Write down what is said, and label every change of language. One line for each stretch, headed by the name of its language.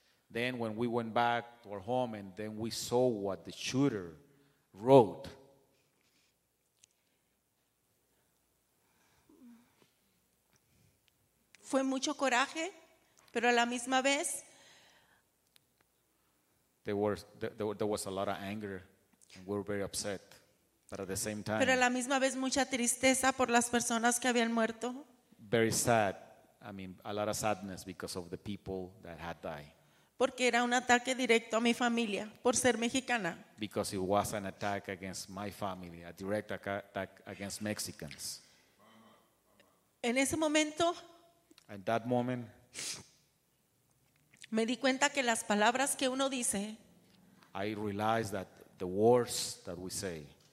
English: then when we went back to our home and then we saw what the shooter wrote.
Spanish: Fue mucho coraje, pero a la misma vez
English: there was a lot of anger and we were very upset, but at the same time,
Spanish: pero a la misma vez mucha tristeza por las personas que habían muerto.
English: Very sad, I mean a lot of sadness because of the people that had died.
Spanish: Porque era un ataque directo a mi familia por ser mexicana.
English: Because it was an attack against my family, a direct attack against Mexicans.
Spanish: En ese momento,
English: at that moment,
Spanish: me di cuenta que las palabras que uno dice,
English: I realized that the words that we say,